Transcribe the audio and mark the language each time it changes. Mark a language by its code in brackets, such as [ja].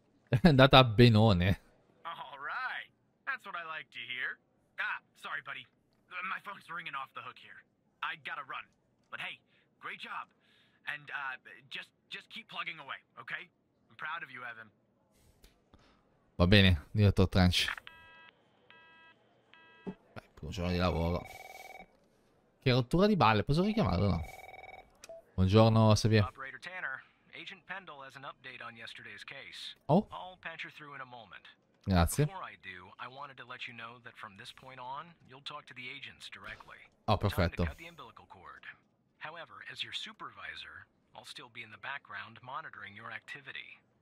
[it] È andata benone. [en] All right. That's what I like to hear. Ah, sorry buddy. My phone's ringing off the hook here. I gotta run. But hey, great job. And just keep plugging away, okay? I'm proud of you, Evan. [it] Va bene, direttore Trench. Beh, primo giorno di lavoro. Che rottura di balle, posso richiamarlo? No? Buongiorno, Sevier. [en] Operator Tanner, Agent Pendle has an update on yesterday's case. Oh. I'll patch her through in a moment. [it] Grazie. [en] Before I do, I wanted to let you know that from this point on, you'll talk to the agents directly. [it] Oh, perfetto. [en] Cut the umbilical cord. However, as your supervisor, I'll still be in the background monitoring your activity.